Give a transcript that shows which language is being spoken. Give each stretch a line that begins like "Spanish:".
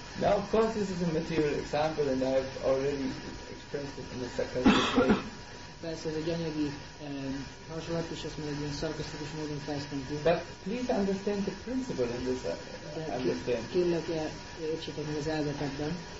English: Now of course this is a material example and I've already expressed it in a sarcastic way.
Hungarian: Persze ez egy anyagi hasonlat, és ezt mondjuk ilyen szarkasztikus módon fejeztem ki.
English: But please understand the principle in this understanding.
Hungarian: Kérlek, értsétek meg az elvet ebben.